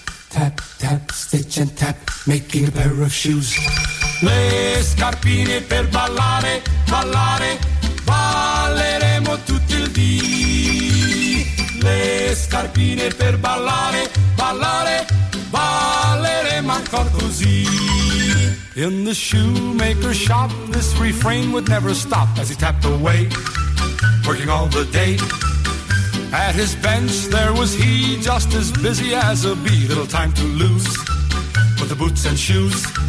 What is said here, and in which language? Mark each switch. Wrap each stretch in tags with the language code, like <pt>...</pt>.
<en>Tap, tap, stitch and tap, making a pair of shoes.</en> <it>Le scarpine per ballare, ballare, balleremo tutto il dì. Le scarpine per ballare, ballare, balleremo ancora così.</it> <en>In the shoemaker's shop, this refrain would never stop as he tapped away, working all the day. At his bench there was he, just as busy as a bee. Little time to lose with the boots and shoes.</en>